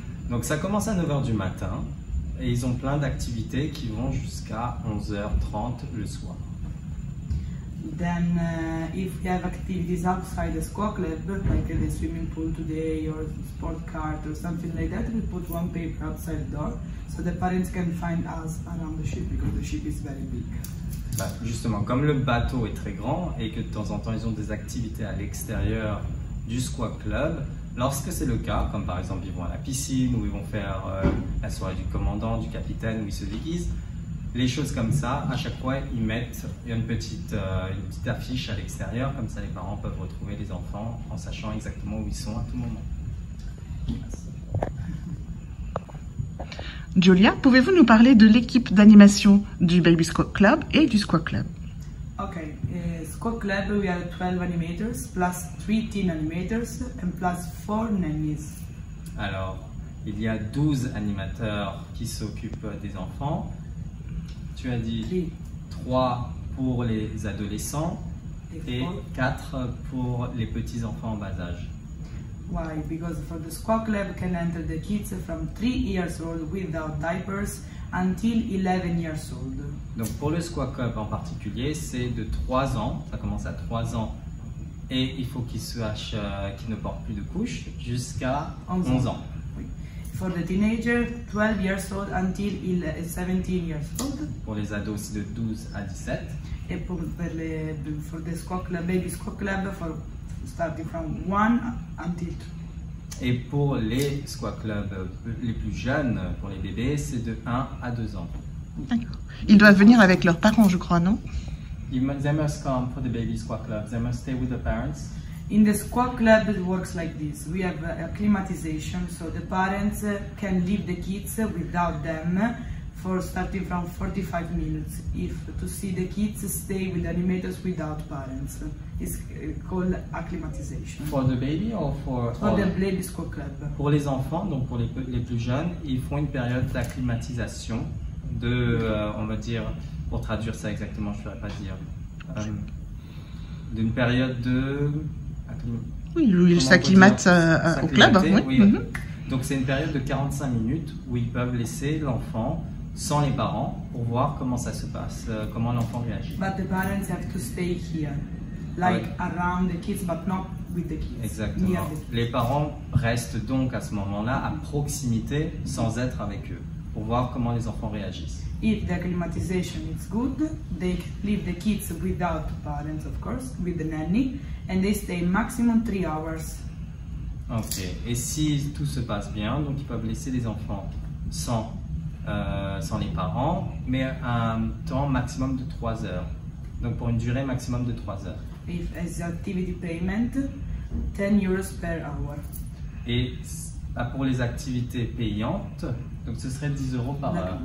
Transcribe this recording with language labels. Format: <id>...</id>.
<fr>Donc ça commence à 9h du matin. Et ils ont plein d'activités qui vont jusqu'à 11h30 le soir.</fr> <en>Then, if we have activities outside the squat club, like the swimming pool today or sport cart or something like that, we put one paper outside the door so the parents can find us around the ship because the ship is very big.</en> <fr>Bah, justement, comme le bateau est très grand et que de temps en temps ils ont des activités à l'extérieur du squat club. Lorsque c'est le cas, comme par exemple ils vont à la piscine ou ils vont faire la soirée du commandant, du capitaine où ils se déguisent, les choses comme ça, à chaque fois ils mettent une petite affiche à l'extérieur, comme ça les parents peuvent retrouver les enfants en sachant exactement où ils sont à tout moment. Merci. Julia, pouvez-vous nous parler de l'équipe d'animation du Baby Squawk Club et du Squawk Club?</fr> <en>Ok, Squawk Club, we have 12 animators, plus 3 teen animators, and plus 4 nannies.</en> <fr>Alors, il y a 12 animateurs qui s'occupent des enfants. Tu as dit 3 pour les adolescents et 4 pour les petits enfants en bas âge.</fr> <en>Why? Because for the Squawk Club, can enter the kids from 3 years old without diapers until 11 years old.</en> <fr>Donc pour le Squawk Club en particulier, c'est de 3 ans, ça commence à 3 ans et il faut qu'il ne porte plus de couche jusqu'à 11 ans.</fr> <en>Oui. For the teenager, 12 years old until 17 years old.</en> <fr>Pour les ados, c'est de 12 à 17. Et pour le</fr> <en>Squawk Club, Baby Squawk Club, starting from 1 until 2.</en> <fr>Et pour les Squawk Club les plus jeunes, pour les bébés, c'est de 1 à 2 ans. D'accord. Ils doivent venir avec leurs parents, je crois, non?</fr> <en>They must come for the baby squat club. They must stay with the parents. In the squat club, it works like this. We have acclimatization, so the parents can leave the kids without them for starting from 45 minutes. If to see the kids stay with animators without parents, it's called acclimatization. For the baby or for? For the baby squat club.</en> <fr>Pour les enfants, donc pour les plus jeunes, ils font une période d'acclimatisation. On va dire, pour traduire ça exactement, je ne saurais pas dire, d'une période de... Oui, ils s'acclimatent au club. Hein, oui. Oui. Mm-hmm. Donc c'est une période de 45 minutes où ils peuvent laisser l'enfant sans les parents pour voir comment ça se passe, comment l'enfant réagit.</fr> <en>But the parents have to stay here, like around the kids, but not with the kids.</en> <fr>Exactement.</fr> <en>The kids.</en> <fr>Les parents restent donc à ce moment-là à proximité sans être avec eux, pour voir comment les enfants réagissent.</fr> <en>If the acclimatization is good, they leave the kids without parents, of course, with the nanny, and they stay maximum 3 hours.</en> <fr>Ok, et si tout se passe bien, donc ils peuvent laisser les enfants sans les parents, mais un temps maximum de 3 heures. Donc pour une durée maximum de 3 heures.</fr> <en>If as activity payment, 10 euros per hour.</en> <fr>Et pour les activités payantes, donc ce serait 10 euros par heure.</fr>